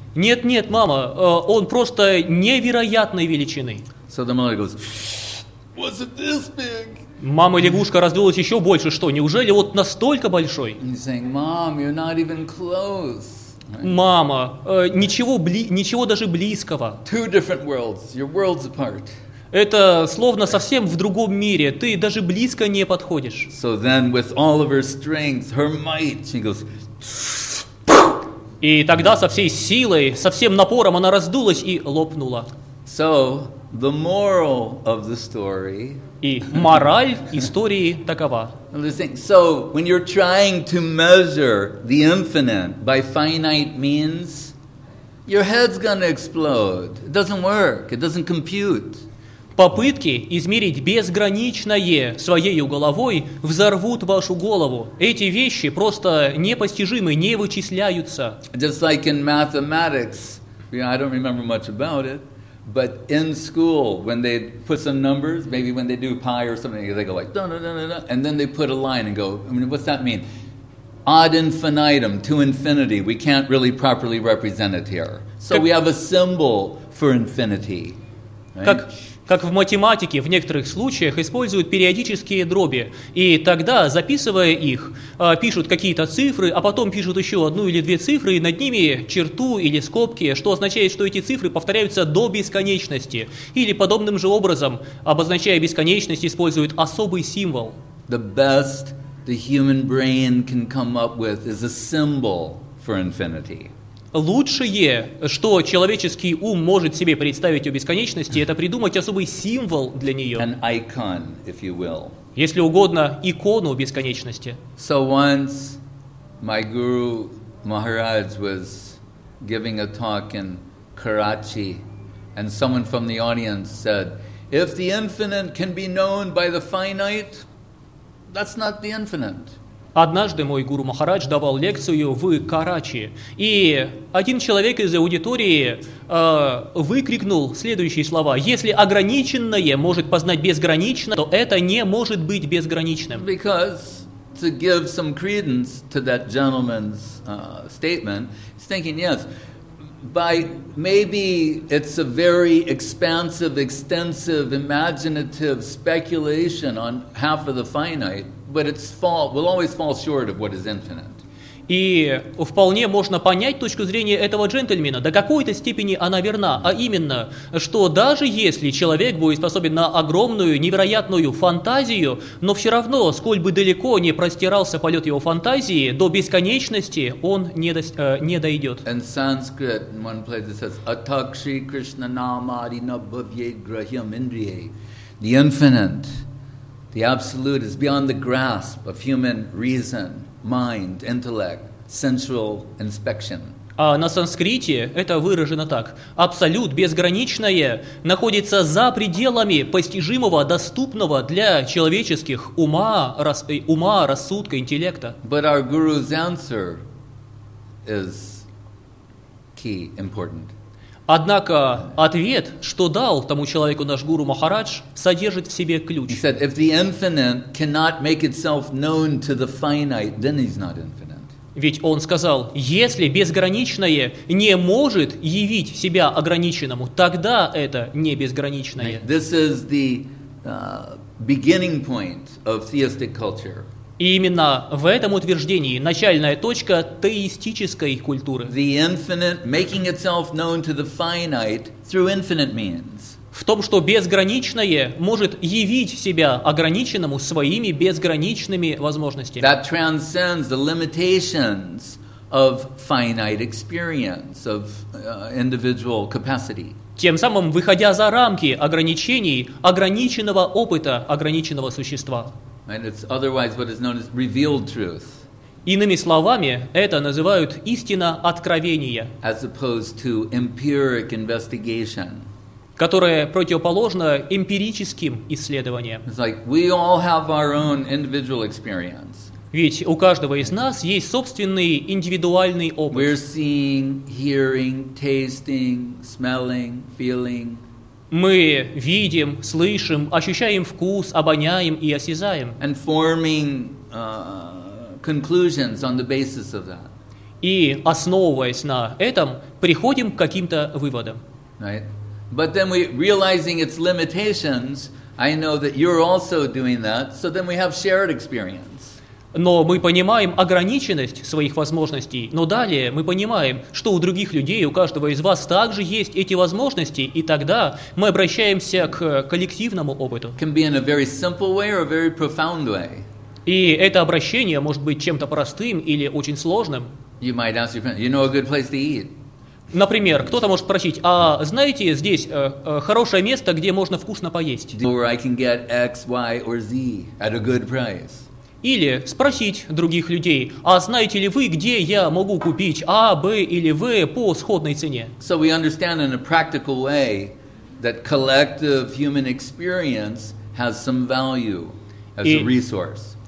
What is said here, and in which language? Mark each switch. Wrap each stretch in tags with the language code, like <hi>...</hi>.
<ru>Нет, мама, он просто невероятной величины.</ru> <en>So the mother goes, was it this big?</en> <ru>Мама лягушка раздулась еще больше, что неужели вот настолько большой?</ru> <en>And he's saying, Mom, you're not even close.</en> <ru>Мама, ничего даже близкого.</ru> <en>Two different worlds. Your worlds apart.</en> <ru>Это словно совсем в другом мире. Ты даже близко не подходишь.</ru> <en>So then with all of her strength, her might, she goes.</en> <ru>И тогда со всей силой, со всем напором она раздулась и лопнула.</ru> <en>So the moral of the story.</en> <ru>И мораль истории такова.</ru> <en>So, when you're trying to measure the infinite by finite means, your head's gonna explode. It doesn't work. It doesn't compute.</en> <ru>Попытки измерить безграничное своей головой взорвут вашу голову. Эти вещи просто непостижимы, не вычисляются.</ru> <en>Just like in mathematics, I don't remember much about it. But in school, when they put some numbers, maybe when they do pi or something, they go like, da-da-da-da-da, and then they put a line and go, I mean, what's that mean? Ad infinitum, to infinity, we can't really properly represent it here. So we have a symbol for infinity. Right?</en> <ru>Как в математике в некоторых случаях используют периодические дроби. И тогда, записывая их, пишут какие-то цифры, а потом пишут еще одну или две цифры, и над ними черту или скобки, что означает, что эти цифры повторяются до бесконечности. Или подобным же образом, обозначая бесконечность, используют особый символ.</ru> <en>The best the human brain can come up with is a symbol for infinity.</en> <ru>Лучшее, что человеческий ум может себе представить о бесконечности, это придумать особый символ для нее.</ru> <en>An icon, if you will.</en> <ru>Если угодно, икону бесконечности.</ru> <en>So once my guru Maharaj was giving a talk in Karachi, and someone from the audience said, if the infinite can be known by the finite, that's not the infinite.</en> <ru>Однажды мой гуру Махарадж давал лекцию в Карачи, и один человек из аудитории выкрикнул следующие слова: «Если ограниченное может познать безграничное, то это не может быть безграничным».</ru> <en>Because to give some credence to that gentleman's statement, he's thinking, yes, by maybe it's a very expansive, extensive, imaginative speculation on half of the finite. But it's will always fall short of what is infinite.</en> <ru>И вполне можно понять точку зрения этого джентльмена. До какой-то степени она верна. А именно, что даже если человек будет способен на огромную, невероятную фантазию, но все равно, сколь бы далеко не простирался полет его фантазии, до бесконечности он не дойдет.</ru> <en>In Sanskrit, in one place it says,</en> <sa>Atakshi Krishna Namadina Bhavye Grahyam Indriye.</sa> <en>The infinite. The absolute is beyond the grasp of human reason, mind, intellect, sensual inspection.</en> <ru>А на санскрите это выражено так. Абсолют, безграничное, находится за пределами постижимого, доступного для человеческих ума, рассудка, интеллекта.</ru> <en>But our guru's answer is key, important.</en> <ru>Однако ответ, что дал тому человеку наш гуру Махарадж, содержит в себе ключ.</ru> <en>He said, if the infinite cannot make itself known to the finite, then he's not infinite.</en> <ru>Ведь он сказал, если безграничное не может явить себя ограниченному, тогда это не безграничное.</ru> <en>This is the beginning point of theistic culture.</en> <ru>И именно в этом утверждении начальная точка теистической культуры.</ru> <en>The infinite making itself known to the finite through infinite means.</en> <ru>В том, что безграничное может явить себя ограниченному своими безграничными возможностями.</ru> <en>That transcends the limitations of finite experience, of individual capacity.</en> <ru>Тем самым выходя за рамки ограничений, ограниченного опыта, ограниченного существа.</ru> <en>And it's otherwise what is known as revealed truth.</en> <ru>Иными словами, это называют истина откровения.</ru> <en>As opposed to empiric investigation.</en> <ru>Которое противоположно эмпирическим исследованиям.</ru> <en>It's like we all have our own individual experience.</en> <ru>Ведь у каждого из нас есть собственный индивидуальный опыт.</ru> <en>We're seeing, hearing, tasting, smelling, feeling.</en> <ru>Мы видим, слышим, ощущаем вкус, обоняем и осязаем.</ru> <en>And forming conclusions on the basis of that.</en> <ru>И основываясь на этом, приходим к каким-то выводам.</ru> <en>Right? But then we realizing its limitations, I know that you're also doing that, so then we have shared experience.</en> <ru>Но мы понимаем ограниченность своих возможностей, но далее мы понимаем, что у других людей, у каждого из вас также есть эти возможности, и тогда мы обращаемся к коллективному опыту.</ru> <en>Can be in a very simple way or a very profound way.</en> <ru>И это обращение может быть чем-то простым или очень сложным.</ru> <en>You might ask your friend, you know a good place to eat?</en> <ru>Например, кто-то может спросить, а знаете, здесь хорошее место, где можно вкусно поесть?</ru> <en>Or I can get X, Y, or Z at a good price.</en> <ru>Или спросить других людей, а знаете ли вы, где я могу купить А, Б или В по сходной цене?</ru> <en>So we understand in a practical way that collective human experience has some value as a resource.</en>